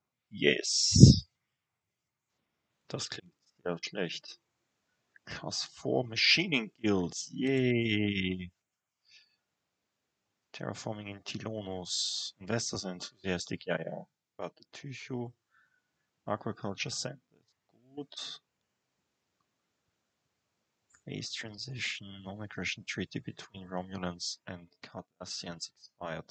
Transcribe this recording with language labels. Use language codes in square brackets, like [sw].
[en] Yes. [de] Das klingt sehr schlecht. [en] Class 4 Machining Guilds. Yay! Terraforming in Tilonus. Investors Enthusiastic. [de] Ja. Warte, Tycho. Aquaculture Center ist gut. [en] Phase Transition. Non-Aggression Treaty between Romulans and Cardassians expired.